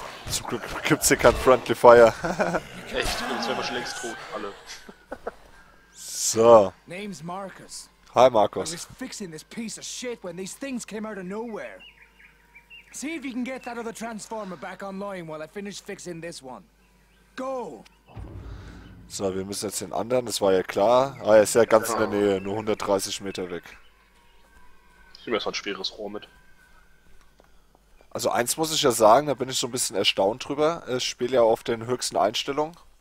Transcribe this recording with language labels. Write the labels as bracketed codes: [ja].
[de] Zum Glück gibt's hier kein Friendly Fire. Echt, sonst wären wir schon längst tot, alle. [en] So. Name's Marcus. Hi Marcus. I was fixing this piece of shit when these things came out of nowhere. See if you can get that other transformer back online while I finish fixing this one. Go. [de] So, wir müssen jetzt den anderen, das war ja klar. Ah, er ist ja ganz in der Nähe, nur 130 Meter weg. Ich nehme jetzt ein schweres Rohr mit. Also eins muss ich ja sagen, da bin ich so ein bisschen erstaunt drüber. Ich spiele ja auf den höchsten Einstellungen.